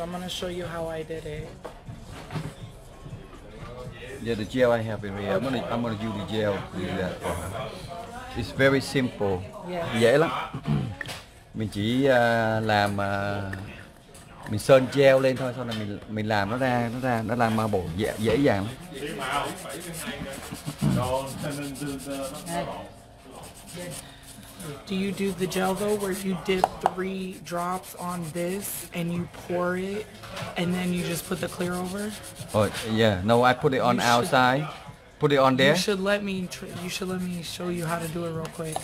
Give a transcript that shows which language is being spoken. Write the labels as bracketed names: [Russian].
[English] I'm gonna show you how I did it. Yeah, the gel I have in here. I'm gonna use the gel to do that for her. It's very simple. Yes. [Vietnamese] Dễ lắm. Mình chỉ làm mình sơn gel lên thôi, sau này mình làm nó ra nó làm ma bồ dễ dàng lắm. [English] Do you do the gel though where you dip three drops on this and you pour it and then you just put the clear over? Oh yeah, no, I put it on outside. Put it on there. You should let me show you how to do it real quick.